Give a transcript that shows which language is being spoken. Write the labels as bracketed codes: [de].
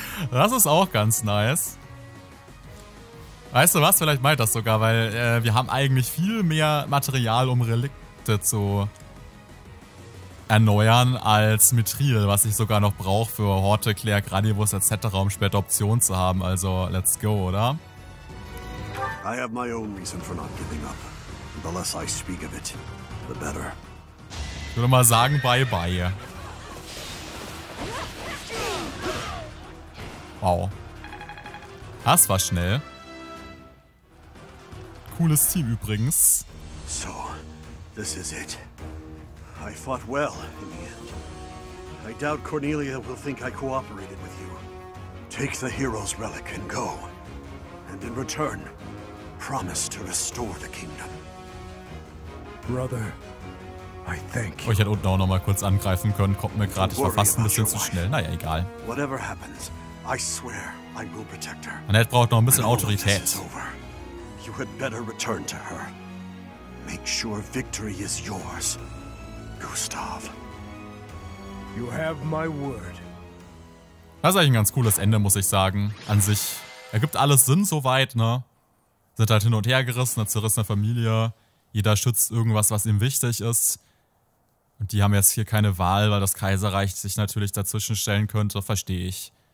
[de] Das ist auch ganz nice. Weißt du was? Vielleicht mache ich das sogar, weil wir haben eigentlich viel mehr Material, um Relikte zu erneuern, als Mithril, was ich sogar noch brauche für Horte, Claire, Granivus etc., um später Optionen zu haben. Also, [en] let's go, [de] oder? [en] I have my own reason for not giving up. The less I speak of it, the better. [de] Ich würde mal sagen, bye bye. Wow. Das war schnell. Cooles Team übrigens. [en] So, this is it. I fought well in the end. I doubt Cornelia will think I cooperated with you. Take the hero's relic and go. And in return, promise to restore the kingdom. Brother, I thank you. [de] Oh, ich hätte unten auch noch mal kurz angreifen können. Kommt mir gerade, ich war fast ein bisschen zu schnell. Naja, egal. [en] Whatever happens, I swear I will protect her. [de] Annette braucht noch ein bisschen Autorität. [en] You had better return to her. Make sure victory is yours, Gustav. You have my word. [de] Das ist eigentlich ein ganz cooles Ende, muss ich sagen. An sich ergibt alles Sinn soweit, ne? Sind halt hin und her gerissen, eine zerrissene Familie. Jeder schützt irgendwas, was ihm wichtig ist. Und die haben jetzt hier keine Wahl, weil das Kaiserreich sich natürlich dazwischen stellen könnte, verstehe ich.